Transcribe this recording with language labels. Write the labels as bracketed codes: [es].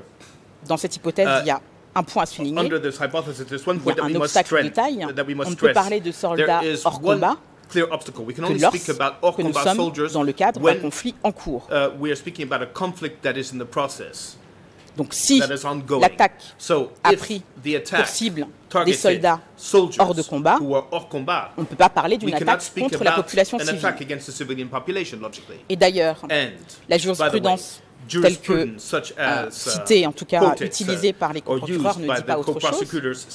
[fr] Or, dans cette hypothèse, il y a un point à souligner, il y a un obstacle de taille, on ne peut parler de soldats hors combat [en] clear obstacle. We can only speak about hors combat soldiers [fr] dans le cadre d'un conflit en cours. [en] We are speaking about a conflict that is in the process. [fr] Donc si l'attaque a pris pour cible des soldats hors de combat, on ne peut pas parler d'une attaque contre la population civile. Et d'ailleurs, la jurisprudence telle que citée, en tout cas utilisée par les procureurs, ne dit pas autre chose.